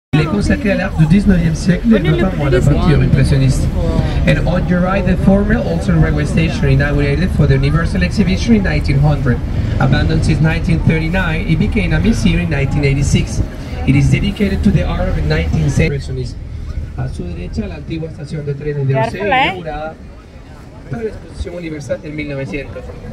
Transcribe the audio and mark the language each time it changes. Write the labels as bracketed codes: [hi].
[fr] Consacré à l'art du 19e siècle et notamment à la peinture impressionniste. [en] And on your right, the former Olsen Railway Station, inaugurated for the Universal Exhibition in 1900. Abandoned since 1939, it became a museum in 1986. It is dedicated to the art of the 19th century impressionist. [es] A su derecha, la antigua estación de trenes de Olsen, inaugurada para la Exposición Universal en 1900.